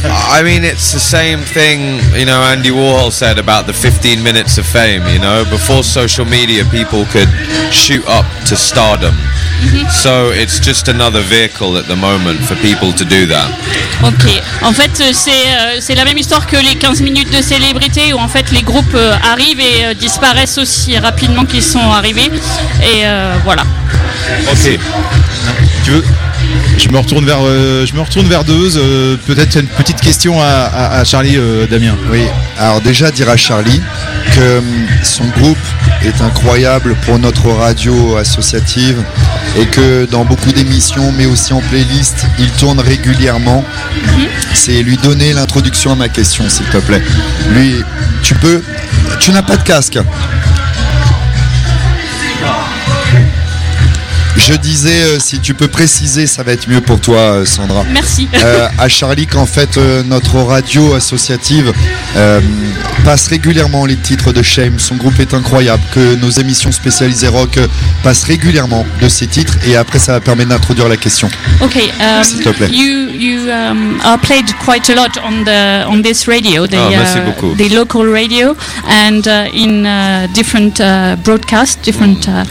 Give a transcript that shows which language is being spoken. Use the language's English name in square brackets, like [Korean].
[English] I mean, it's the same thing, you know, Andy Warhol said about the 15 minutes of fame. You know, before social media, people could shoot up to stardom. So it's just another vehicle at the moment for people to do that. [French] Ok, en fait c'est la même histoire que les 15 minutes de célébrité où en fait les groupes arrivent et disparaissent aussi rapidement qu'ils sont arrivés et voilà. Ok, tu veux, je me retourne vers Deuze, peut-être une petite question à Charlie, Damien. Oui, alors déjà dire à Charlie que son groupe est incroyable pour notre radio associative et que dans beaucoup d'émissions mais aussi en playlist il tourne régulièrement. C'est lui donner l'introduction à ma question s'il te plaît. Lui, tu n'as pas de casque. Je disais, si tu peux préciser, ça va être mieux pour toi, Sandra. Merci. À Charlie, qu'en fait, notre radio associative passe régulièrement les titres de Shame. Son groupe est incroyable. Que nos émissions spécialisées rock passent régulièrement de ces titres. Et après, ça va permettre d'introduire la question. Ok. S'il te plaît. [English] You are played quite a lot on this radio. The, oh, merci beaucoup. The local radio and in different broadcasts, different.